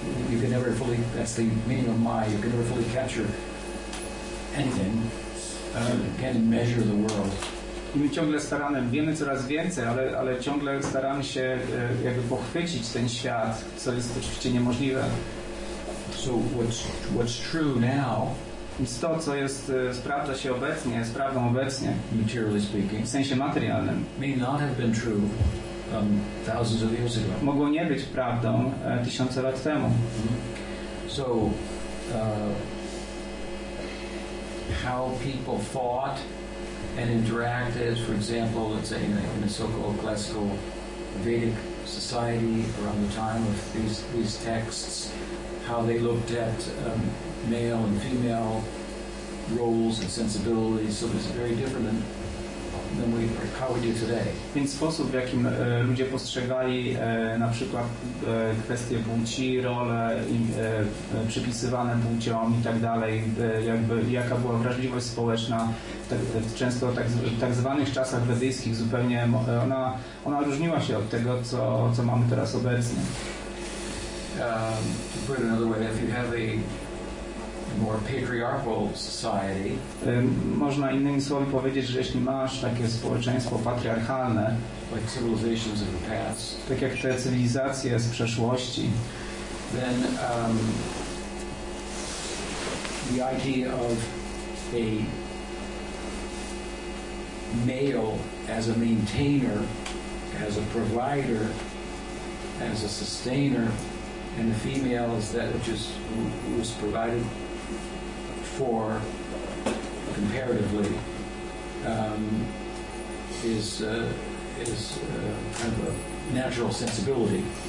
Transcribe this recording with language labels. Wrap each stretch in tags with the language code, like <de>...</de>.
<en>You can never fully, that's the meaning of my, you can never fully capture anything. Can measure the world.</en> <pl>I my ciągle staramy, wiemy coraz więcej, ale ciągle staramy się jakby pochwycić ten świat, co jest oczywiście niemożliwe.</pl> <en>So what's true now,</en> <pl>więc to, co jest, sprawdza się obecnie, jest prawdą obecnie,</pl> <en>materially speaking,</en> <pl>w sensie materialnym,</pl> <en>may not have been true thousands of years ago.</en> <pl>Mogło nie być prawdą tysiące lat temu.</pl> <en>So how people thought and interacted, for example, let's say in a so-called classical Vedic society around the time of these texts, how they looked at male and female roles and sensibilities. So it's very different than than we how we do today.</en> <pl>Więc sposób, w jakim ludzie postrzegali na przykład kwestie płci, role przypisywane płciom i tak dalej, jakby jaka była wrażliwość społeczna często w tak zwanych czasach wedyjskich zupełnie ona różniła się od tego, co mamy teraz obecnie.</pl> <en>To put it another way, if you have a more patriarchal society.</en> <pl>Można innymi słowy powiedzieć, że jeśli masz takie społeczeństwo patriarchalne,</pl> <en>like civilizations of the past,</en> <pl>tak jak te cywilizacje z przeszłości,</pl> <en>then the idea of a male as a maintainer, as a provider, as a sustainer, and the female as that which is was provided for comparatively is kind of a natural sensibility.</en>